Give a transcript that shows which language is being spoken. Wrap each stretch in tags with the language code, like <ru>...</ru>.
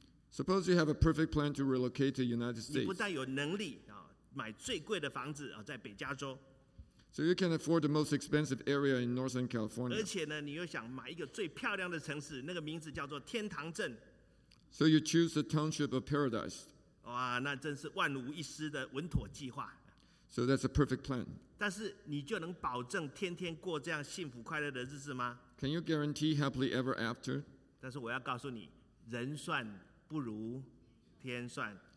<en>suppose you have a perfect plan to relocate to the United States.</en> <zh>你不但有能力买最贵的房子在北加州,</zh> <en>so you can afford the most expensive area in Northern California.</en> <zh>而且呢,你又想买一个最漂亮的城市,那个名字叫做天堂镇。</zh> <en>So you choose the township of paradise.</en> <zh>哇,那真是万无一失的稳妥计划。</zh> <en>So that's a perfect plan.</en> <zh>但是你就能保证天天过这样幸福快乐的日子吗?</zh> <en>Can you guarantee happily ever after?</en> <zh>但是我要告诉你, 人算不如天算。</zh>